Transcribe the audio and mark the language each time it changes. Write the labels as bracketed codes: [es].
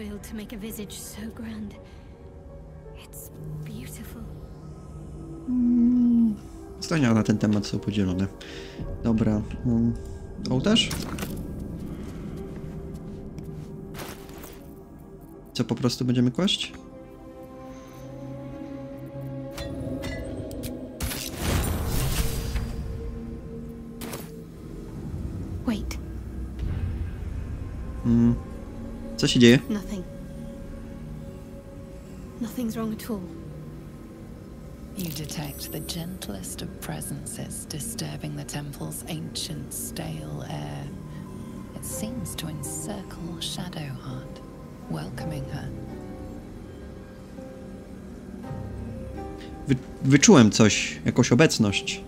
[en] To make a visage so grand. It's beautiful. [pl] Zdania na ten temat są podzielone. Dobra. Ołtarz? Co, po prostu będziemy kłaść? [en] Wait. [pl] Co się dzieje? [en] Nothing. Nothing's wrong at all. You detect the gentlest of presences disturbing the temple's ancient stale air. It seems to encircle Shadowheart, welcoming her. [pl] Wyczułem coś, jakąś obecność.